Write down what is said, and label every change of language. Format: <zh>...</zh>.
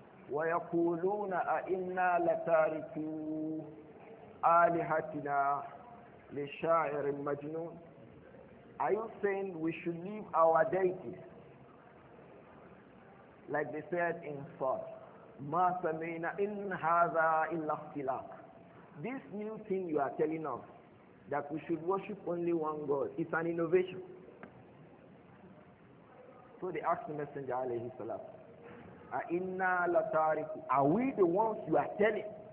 <ar>ويقولون أئنا لتاركو آلهتنا لشاعر مجنون.</ar> <en>Are you saying we should leave our deities? Like they said in Fath.</en> <ar>ما سمعنا إن هذا إلا اختلاق.</ar> <en>This new thing you are telling us, that we should worship only one God, it's an innovation. So they asked the Messenger alayhi salam,</en> <ar>أَإِنَّا لَتَارِكُوا.</ar> <en>Are we the ones you are telling?</en>